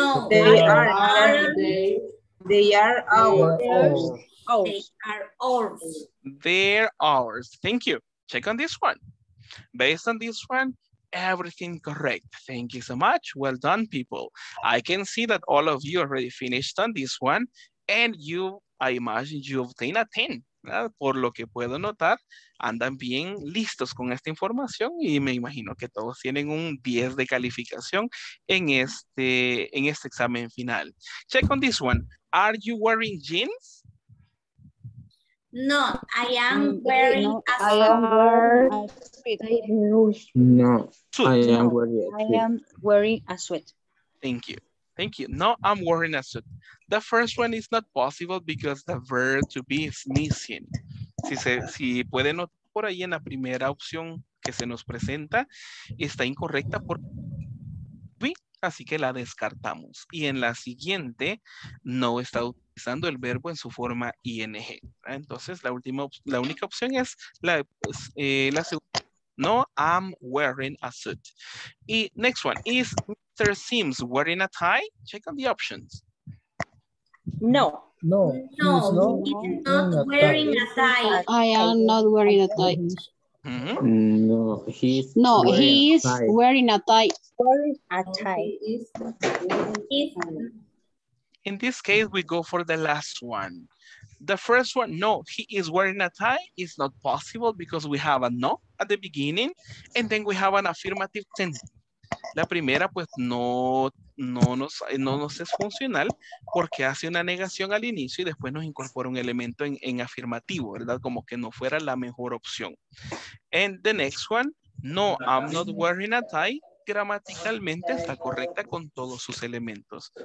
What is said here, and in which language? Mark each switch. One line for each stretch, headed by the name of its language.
English: They are ours. Thank you. Check on this one. Based on this one, everything correct. Thank you so much. Well done, people. I can see that all of you already finished on this one, and you, I imagine you obtain a 10.
Spanish: ¿verdad? Por lo que puedo notar, andan bien listos con esta información y me imagino que todos tienen un 10 de calificación en este examen final.
English: Check on this one. Are you wearing jeans? No, I am wearing a suit. No, I am wearing a suit. Thank you. Thank you. No, I'm wearing a suit. The first one is not possible because the verb to be is missing.
Spanish: Si puede notar por ahí en la primera opción que se nos presenta, está incorrecta por be, así que la descartamos. Y en la siguiente, no está utilizando el verbo en su forma ing. Entonces, la única opción es la segunda.
English: No, I'm wearing a suit. Y next one is... Mr. Sims wearing a tie? Check on the options. No. No. No, he is wearing a tie. In this case, we go for the last one. The first one, no, he is wearing a tie, is not possible because we have a no at the beginning, and then we have an affirmative sentence.
Spanish: La primera, pues, no nos es funcional porque hace una negación al inicio y después nos incorpora un elemento en afirmativo, ¿verdad? Como que no fuera la mejor opción.
English: And the next one, no, I'm not wearing a tie,
Spanish: gramaticalmente está correcta con todos sus elementos.